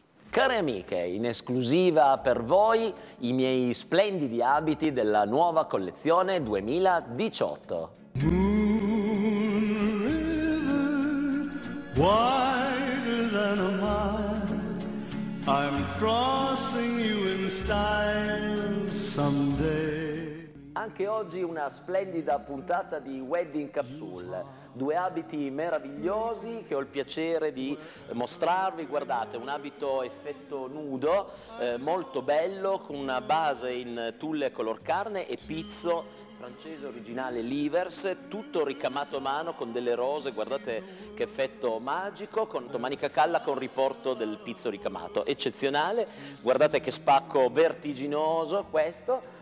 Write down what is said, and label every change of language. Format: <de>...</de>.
<it>Care amiche, in esclusiva per voi i miei splendidi abiti della nuova collezione 2018.</it> <en>Moon River, wider than a mile, I'm crossing you in style someday.</en> <it>Anche oggi una splendida puntata di Wedding Capsule. Due abiti meravigliosi che ho il piacere di mostrarvi. Guardate, un abito effetto nudo, molto bello, con una base in tulle color carne e pizzo francese originale Livers, tutto ricamato a mano con delle rose, guardate che effetto magico, con manica calla con riporto del pizzo ricamato, eccezionale, guardate che spacco vertiginoso questo.</it>